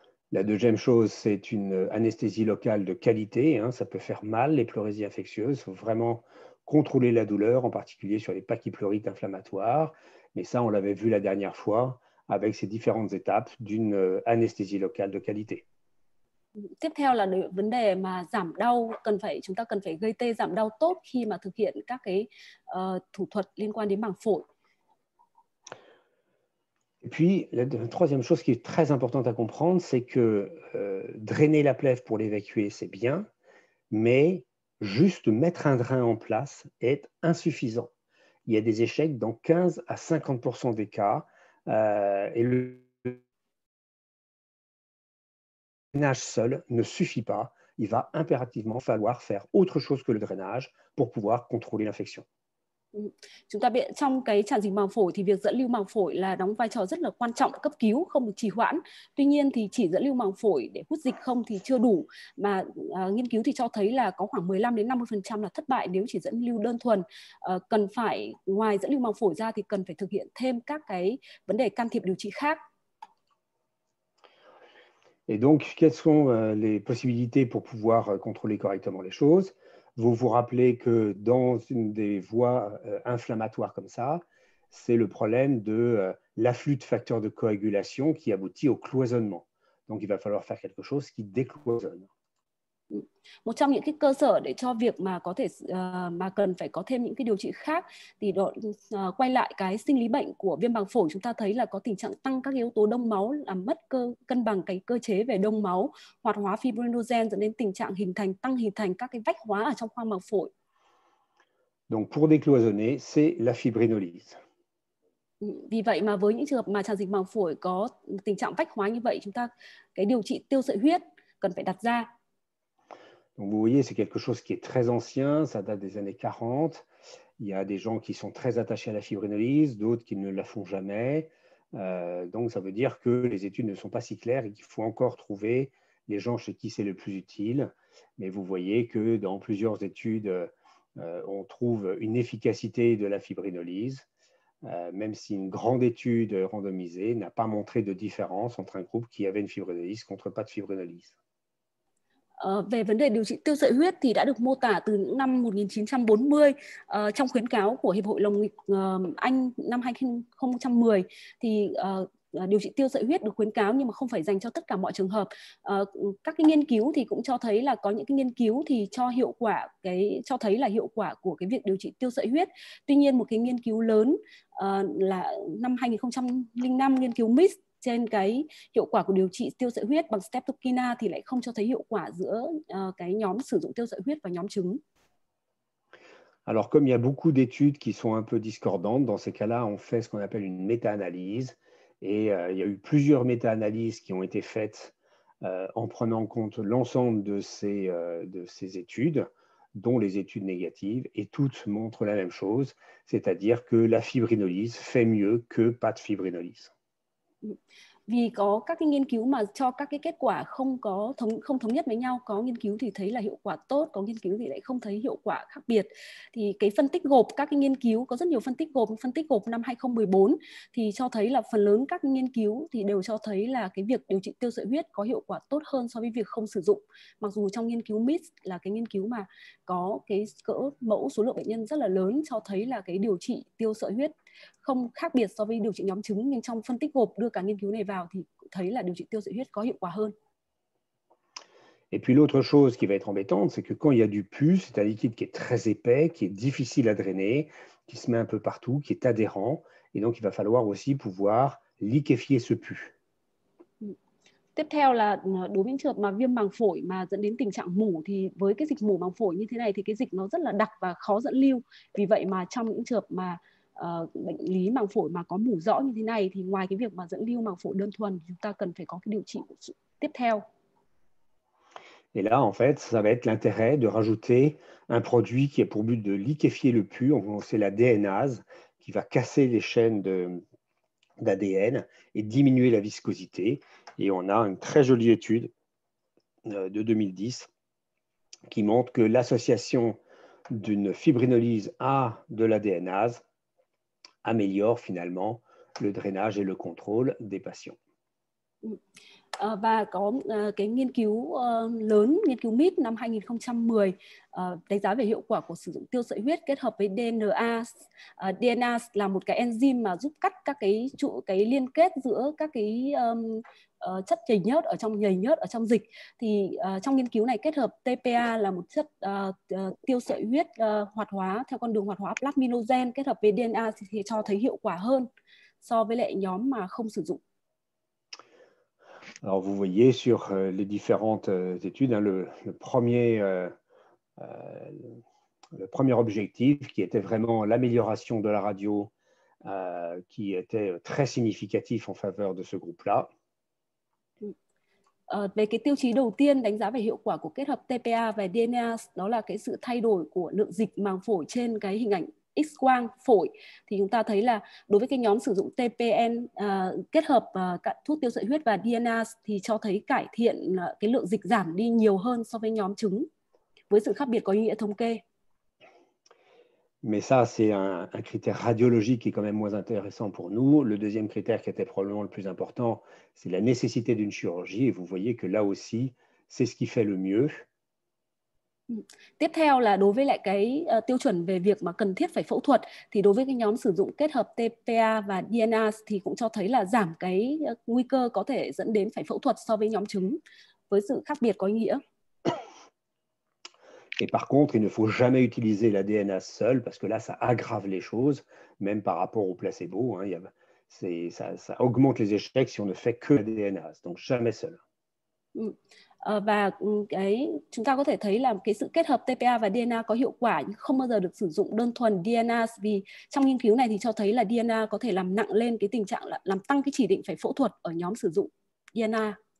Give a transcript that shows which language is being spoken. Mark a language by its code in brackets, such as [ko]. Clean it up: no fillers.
[fr] La deuxième chose, c'est une anesthésie locale de qualité, hein, ça peut faire mal les pleurésies infectieuses, faut vraiment contrôler la douleur, en particulier sur les pachypleurites inflammatoires. Mais ça, on l'avait vu la dernière fois avec ces différentes étapes d'une anesthésie locale de qualité. [vi] Tiếp theo là vấn đề mà giảm đau, chúng ta cần phải gây tê giảm đau tốt khi mà thực hiện các cái thủ thuật liên quan đến màng phổi. [fr] Et puis, la troisième chose qui est très importante à comprendre, c'est que drainer la plèvre pour l'évacuer, c'est bien, mais juste mettre un drain en place est insuffisant. Il y a des échecs dans 15 à 50% des cas. Et le drainage seul ne suffit pas. Il va impérativement falloir faire autre chose que le drainage pour pouvoir contrôler l'infection. [vi] Chúng ta biết trong cái tràn dịch màng phổi thì việc dẫn lưu màng phổi là đóng vai trò rất là quan trọng, cấp cứu không được trì hoãn. Tuy nhiên thì chỉ dẫn lưu màng phổi để hút dịch không thì chưa đủ, mà nghiên cứu thì cho thấy là có khoảng 15 đến 50% là thất bại nếu chỉ dẫn lưu đơn thuần. Cần phải ngoài dẫn lưu màng phổi ra thì cần phải thực hiện thêm các cái vấn đề can thiệp điều trị khác. [fr] Et donc quelles sont les possibilités pour pouvoir contrôler correctement les choses? Vous vous rappelez que dans une des voies inflammatoires comme ça, c'est le problème de l'afflux de facteurs de coagulation qui aboutit au cloisonnement. Donc, il va falloir faire quelque chose qui décloisonne. [vi] Một trong những cái cơ sở để cho việc mà có thể mà cần phải có thêm những cái điều trị khác thì quay lại cái sinh lý bệnh của viêm màng phổi, chúng ta thấy là có tình trạng tăng các yếu tố đông máu làm mất cân bằng cái cơ chế về đông máu, hoạt hóa fibrinogen dẫn đến tình trạng hình thành các cái vách hóa ở trong khoang màng phổi. [fr] Donc pour décloisonner, c'est la fibrinolyse. [vi] Vì vậy mà với những trường hợp mà tràn dịch màng phổi có tình trạng vách hóa như vậy, chúng ta cái điều trị tiêu sợi huyết cần phải đặt ra. [fr] Donc vous voyez, c'est quelque chose qui est très ancien, ça date des années 40. Il y a des gens qui sont très attachés à la fibrinolyse, d'autres qui ne la font jamais. Donc ça veut dire que les études ne sont pas si claires et qu'il faut encore trouver les gens chez qui c'est le plus utile. Mais vous voyez que dans plusieurs études, on trouve une efficacité de la fibrinolyse, même si une grande étude randomisée n'a pas montré de différence entre un groupe qui avait une fibrinolyse contre pas de fibrinolyse. [vi] Về vấn đề điều trị tiêu sợi huyết thì đã được mô tả từ những năm 1940 trong khuyến cáo của Hiệp hội Lồng ngực Anh năm 2010 thì điều trị tiêu sợi huyết được khuyến cáo nhưng mà không phải dành cho tất cả mọi trường hợp. Các cái nghiên cứu thì cũng cho thấy là có những cái nghiên cứu thì cho thấy là hiệu quả của cái việc điều trị tiêu sợi huyết. Tuy nhiên một cái nghiên cứu lớn là năm 2005, nghiên cứu MIS trên cái hiệu quả của điều trị tiêu sợi huyết bằng streptokina thì lại không cho thấy hiệu quả giữa cái nhóm sử dụng tiêu sợi huyết và nhóm chứng. [fr] Alors comme il y a beaucoup d'études qui sont un peu discordantes, dans ces cas-là, on fait ce qu'on appelle une méta-analyse et il y a eu plusieurs méta-analyses qui ont été faites en prenant en compte l'ensemble de ces études, dont les études négatives, et toutes montrent la même chose, c'est-à-dire que la fibrinolyse fait mieux que pas de fibrinolyse. [vi] Vì có các cái nghiên cứu mà cho các cái kết quả không thống nhất với nhau, có nghiên cứu thì thấy là hiệu quả tốt, có nghiên cứu thì lại không thấy hiệu quả khác biệt. Thì cái phân tích gộp các cái nghiên cứu, có rất nhiều phân tích gộp năm 2014 thì cho thấy là phần lớn các nghiên cứu thì đều cho thấy là cái việc điều trị tiêu sợi huyết có hiệu quả tốt hơn so với việc không sử dụng. Mặc dù trong nghiên cứu MIS là cái nghiên cứu mà có cái cỡ mẫu số lượng bệnh nhân rất là lớn, cho thấy là cái điều trị tiêu sợi huyết không khác biệt so với điều trị nhóm chứng, nhưng trong phân tích gộp đưa cả nghiên cứu này vào thì thấy là điều trị tiêu sợi huyết có hiệu quả hơn. [fr] Et puis l'autre chose qui va être embêtante, c'est que quand il y a du pus, c'est un liquide qui est très épais, qui est difficile à drainer, qui se met un peu partout, qui est adhérent, Et donc, il va falloir aussi pouvoir liquéfier ce pus. [vi] Tiếp theo là đối với những trường hợp mà viêm màng phổi mà dẫn đến tình trạng mủ thì với cái dịch mủ màng phổi như thế này thì cái dịch nó rất là đặc và khó dẫn lưu. Vì vậy mà trong những trường hợp mà bệnh lý màng phổi mà có mủ rõ như thế này thì ngoài cái việc mà dẫn lưu màng phổi đơn thuần thì chúng ta cần phải có cái điều trị tiếp theo. [fr] Et là, en fait, ça va être l'intérêt de rajouter un produit qui a pour but de liquéfier le pus. C'est la DNase qui va casser les chaînes d'ADN et diminuer la viscosité. Et on a une très jolie étude de 2010 qui montre que l'association d'une fibrinolyse à de la DNase améliore finalement le drainage et le contrôle des patients. [vi] Và có cái nghiên cứu lớn, nghiên cứu MIT năm 2010 đánh giá về hiệu quả của sử dụng tiêu sợi huyết kết hợp với DNA. DNA là một cái enzyme mà giúp cắt các cái trụ, cái liên kết giữa các cái chất nhầy nhớt ở trong dịch. Thì trong nghiên cứu này kết hợp TPA là một chất tiêu sợi huyết hoạt hóa theo con đường hoạt hóa plasminogen kết hợp với DNA thì cho thấy hiệu quả hơn so với lại nhóm mà không sử dụng. [fr] Alors, vous voyez sur les différentes études, hein, le premier objectif qui était vraiment l'amélioration de la radio, qui était très significatif en faveur de ce groupe-là. [vi] Về cái tiêu chí đầu tiên đánh giá về hiệu quả của kết hợp TPA và DNA, đó là cái sự thay đổi của lượng dịch màng phổi trên cái hình ảnh X-quang phổi thì chúng ta thấy là đối với cái nhóm sử dụng TPN kết hợp thuốc tiêu sợi huyết và DNA thì cho thấy cải thiện cái lượng dịch giảm đi nhiều hơn so với nhóm chứng với sự khác biệt có ý nghĩa thống kê. [fr] Mais ça c'est un critère radiologique qui est quand même moins intéressant pour nous. Le deuxième critère qui était probablement le plus important, c'est la nécessité d'une chirurgie et vous voyez que là aussi, c'est ce qui fait le mieux. [vi] Tiếp theo là đối với lại cái tiêu chuẩn về việc mà cần thiết phải phẫu thuật thì đối với cái nhóm sử dụng kết hợp TPA và DNA thì cũng cho thấy là giảm cái nguy cơ có thể dẫn đến phải phẫu thuật so với nhóm chứng với sự khác biệt có ý nghĩa. [fr] Et par contre, il ne faut jamais utiliser la DNA seule parce que là ça aggrave les choses même par rapport au placebo, hein, ça augmente les échecs si on ne fait que la DNA, donc jamais seul. [vi] Và cái chúng ta có thể thấy là cái sự kết hợp TPA và DNA có hiệu quả nhưng không bao giờ được sử dụng đơn thuần DNA vì trong nghiên cứu này thì cho thấy là DNA có thể làm nặng lên cái tình trạng là làm tăng cái chỉ định phải phẫu thuật ở nhóm sử dụng DNA.